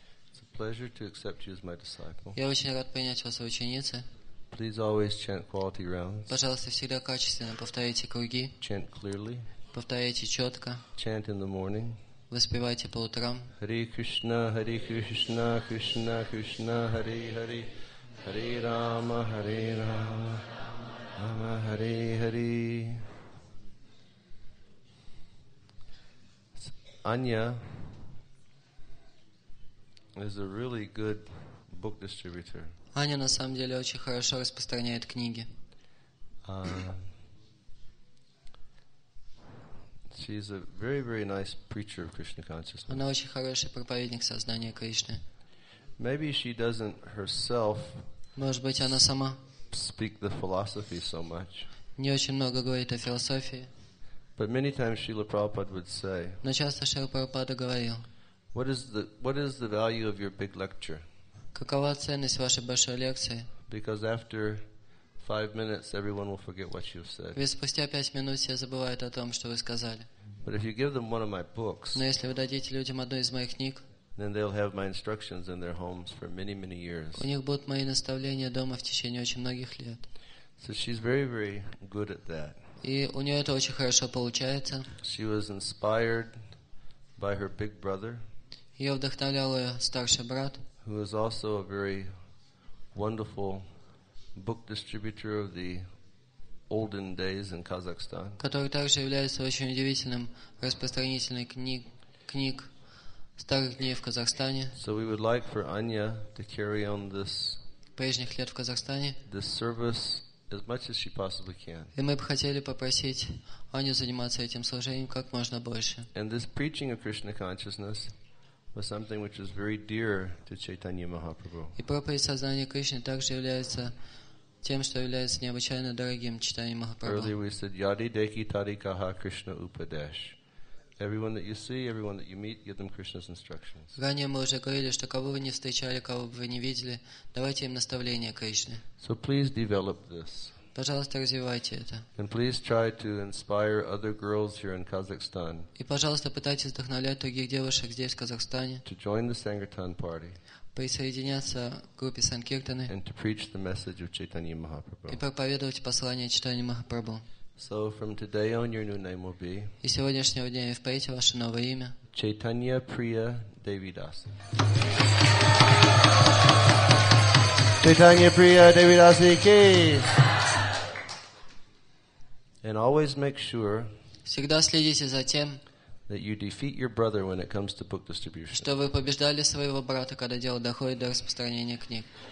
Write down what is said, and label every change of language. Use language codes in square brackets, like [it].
[en] It's a pleasure to accept you as my disciple. [ru] Я очень рад принять вас в ученицы. [en] Please always chant quality rounds. [ru] Пожалуйста, всегда качественно повторяйте круги. [en] Chant clearly. [ru] Повторяйте четко. [en] Chant in the morning. [ru] Воспевайте по утрам. [sa] Hare Krishna, Hare Krishna, Krishna Krishna, Hare Hare, Hare Rama, Hare Rama, Rama Hare Hare. [en] Anya is a really good book distributor. [ru] Аня на самом деле очень хорошо распространяет книги. [en] She's a very, very nice preacher of Krishna consciousness. [ru] Она очень хороший проповедник сознания Кришны. [en] Maybe she doesn't herself. [ru] Может быть, она сама. [en] Speak the philosophy so much. [ru] Не очень много говорит о философии. [en] But many times Srila Prabhupada would say. [ru] Но часто Шрила Прабхупада говорил. [en] What is the value of your big lecture? [ru] Какова ценность вашей большой лекции? [en] Because after 5 minutes, everyone will forget what you've said. [ru] Ведь спустя 5 минут все забывают о том, что вы сказали. [en] But if you give them one of my books, [ru] но если вы дадите людям одну из моих книг, [en] then they'll have my instructions in their homes for many, many years. [ru] У них будут мои наставления дома в течение очень многих лет. [en] So she's very, very good at that. [ru] И у нее это очень хорошо получается. [en] She was inspired by her big brother. [ru] Ее вдохновлял ее старший брат, [en] who is also a very wonderful book distributor of the olden days in Kazakhstan. [ru] Который также является очень удивительным распространителем книг старых дней в Казахстане. [en] So we would like for Anya to carry on this [ru] прежних лет в Казахстане. [en] This service as much as she possibly can. [ru] И мы бы хотели попросить Аню заниматься этим служением как можно больше. [en] And this preaching of Krishna consciousness was something which was very dear to Chaitanya Mahaprabhu. [ru] И проповедь сознания Кришны также является тем, что является необычайно дорогим Чайтанья Махапрабху. [en] Earlier we said [bn] Yadi Deki Tadi Kaha Krishna Upadesh. [en] Everyone that you see, everyone that you meet, give them Krishna's instructions. [ru] Ранее мы уже говорили, что кого вы не встречали, кого бы вы не видели, давайте им наставления Кришны. [en] So please develop this. [ru] Пожалуйста, развивайте это. [en] And please try to inspire other girls here in Kazakhstan. [ru] И пожалуйста, пытайтесь вдохновлять других девушек здесь в Казахстане. [en] To join the Sangirtan party. [ru] Присоединяться к группе Санкиртаны. [en] And to preach the message of Chaitanya Mahaprabhu. [ru] И проповедовать послание Чайтаньи Махапрабху. [en] So from today on, your new name will be. [ru] И сегодняшнего дня и впредь ваше новое имя. Chaitanya Priya Devidas. Chaitanya Priya Devidas ki. [en] And always make sure. [ru] Всегда следите за тем. [en] That you defeat your brother when it comes to book distribution. [ru] Что вы побеждали своего брата, когда дело доходит до распространения книг.